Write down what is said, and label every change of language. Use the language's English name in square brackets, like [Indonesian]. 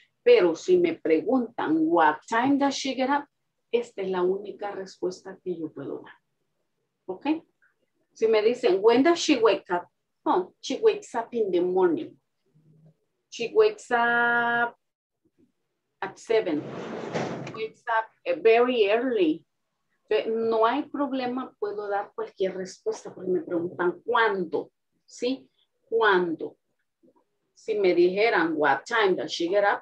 [Spanish] Pero si me preguntan, [English] what time does she get up? [Spanish] Esta es la única respuesta que yo puedo dar. ¿Ok? Si me dicen, [English] when does she wake up? Oh, she wakes up in the morning. She wakes up at 7. She wakes up very early. [Spanish] No hay problema, puedo dar cualquier respuesta porque me preguntan cuándo, ¿sí? ¿Cuándo? Si me dijeran, [English] what time does she get up?